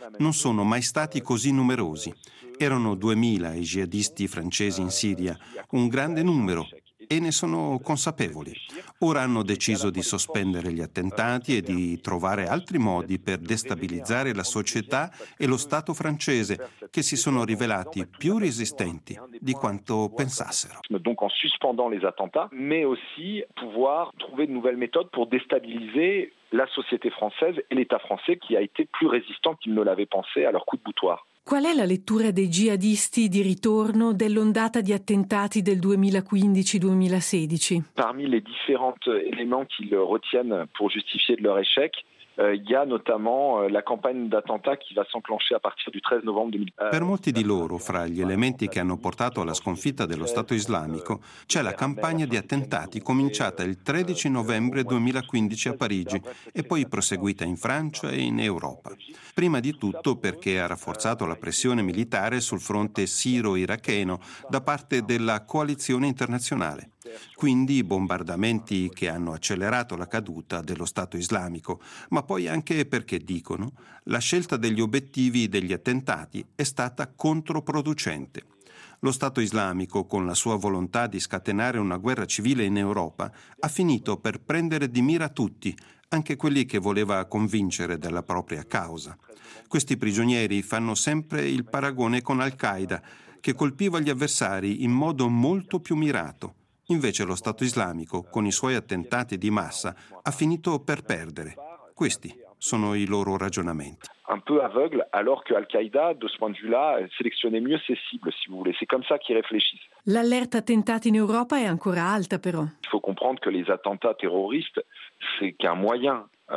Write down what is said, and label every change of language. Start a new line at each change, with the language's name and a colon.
Italian: Non sono mai stati così numerosi. Erano 2.000 i jihadisti francesi in Siria, un grande numero. E ne sono consapevoli. Ora hanno deciso di sospendere gli attentati e di trovare altri modi per destabilizzare la società e lo Stato francese, che si sono rivelati più resistenti di quanto pensassero.
French: Donc en suspendant les attentats, mais aussi pouvoir trouver de nouvelles méthodes pour déstabiliser la société française et l'État français qui a été plus résistant qu'ils ne l'avaient pensé à leur coup de boutoir.
Italian: Qual è la lettura dei jihadisti di ritorno dell'ondata di attentati del 2015-2016?
French: Parmi les différents éléments qu'ils retiennent pour justifier de leur échec, il y a notamment la campagne d'attentats qui va s'enclencher à partir du 13 novembre 2015.
Italian: Per molti di loro, fra gli elementi che hanno portato alla sconfitta dello Stato islamico, c'è la campagna di attentati cominciata il 13 novembre 2015 a Parigi e poi proseguita in Francia e in Europa. Prima di tutto perché ha rafforzato la pressione militare sul fronte siro-iracheno da parte della coalizione internazionale. Quindi bombardamenti che hanno accelerato la caduta dello Stato islamico, ma poi anche perché dicono la scelta degli obiettivi degli attentati è stata controproducente. Lo Stato islamico, con la sua volontà di scatenare una guerra civile in Europa, ha finito per prendere di mira tutti, anche quelli che voleva convincere della propria causa. Questi prigionieri fanno sempre il paragone con Al-Qaeda, che colpiva gli avversari in modo molto più mirato. Invece lo Stato islamico, con i suoi attentati di massa, ha finito per perdere. Questi sono i loro ragionamenti.
French: Un peu aveugle, alors que Al-Qaeda, de ce point de vue-là, sélectionnait mieux ses cibles, si vous voulez. C'est comme ça qu'ils réfléchissent.
Italian: L'allerta attentati in Europa è ancora alta, però.
French: Il faut comprendre que les attentats terroristes, c'est qu'un moyen.